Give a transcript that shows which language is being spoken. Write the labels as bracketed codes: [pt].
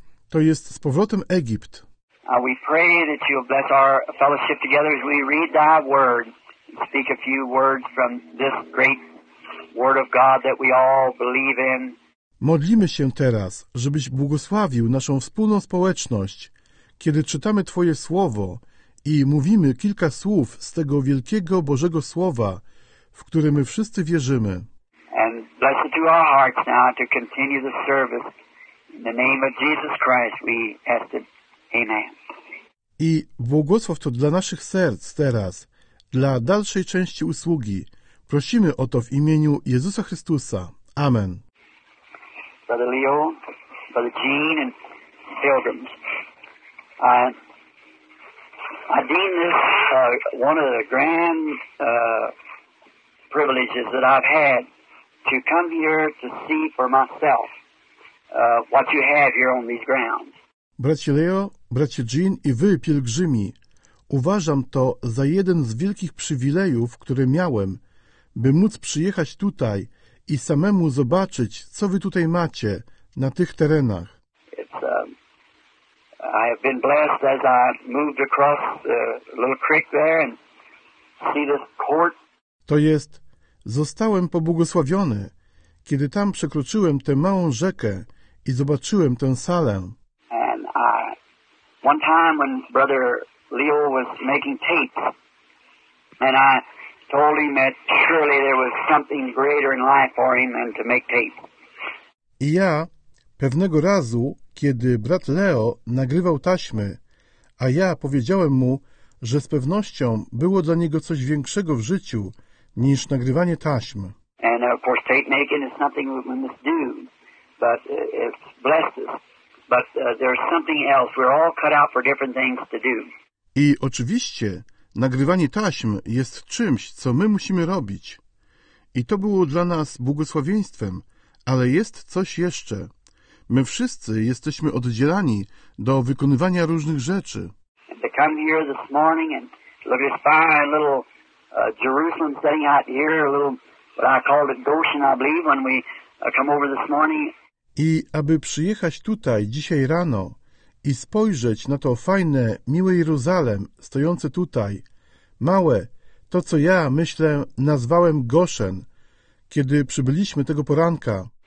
[pl] To jest z powrotem Egipt. [en] We pray that You'll bless our fellowship together as we read Thy Word and speak a few words from this great Word of God that we all believe in. [pl] Modlimy się teraz, żebyś błogosławił naszą wspólną społeczność, kiedy czytamy Twoje Słowo i mówimy kilka słów z tego wielkiego Bożego Słowa, w które my wszyscy wierzymy. [en] And bless it to our hearts now to continue the service. In the name of Jesus Christ we ask it. Amen. [pl] I błogosław to dla naszych serc teraz, dla dalszej części usługi. Prosimy o to w imieniu Jezusa Chrystusa. Amen. [en] Brother Leo, Brother Gene and pilgrims. I deem this one of the grand privileges that I've had to come here to see for myself what you have here on these grounds. [pl] Bracie Leo, bracie Gene i wy, pielgrzymi, uważam to za jeden z wielkich przywilejów, które miałem, by móc przyjechać tutaj i samemu zobaczyć, co wy tutaj macie na tych terenach. [en] I have been blessed as I moved across the little creek there and see this court. [pl] To jest, zostałem pobłogosławiony, kiedy tam przekroczyłem tę małą rzekę i zobaczyłem tę salę. [en] And one time when Brother Leo was making tapes, and I told him that surely there was something greater in life for him than to make tapes. [pl] I ja pewnego razu, kiedy brat Leo nagrywał taśmy, a ja powiedziałem mu, że z pewnością było dla niego coś większego w życiu niż nagrywanie taśm. [en] And of course tape making is nothing we must do, but it's blessed us. But there's something else. We're all cut out for different things to do. [pl] I oczywiście nagrywanie taśm jest czymś, co my musimy robić. I to było dla nas błogosławieństwem, ale jest coś jeszcze. My wszyscy jesteśmy oddzielani do wykonywania różnych rzeczy. [en] The come here this morning and look at this fine little Jerusalem sitting out here, a little, what I called it, Goshen, I believe, when we come over this morning. [pl] I aby przyjechać tutaj dzisiaj rano i spojrzeć na to fajne, miłe Jeruzalem stojące tutaj, małe, to co ja, myślę, nazwałem Goshen, kiedy przybyliśmy tego poranka.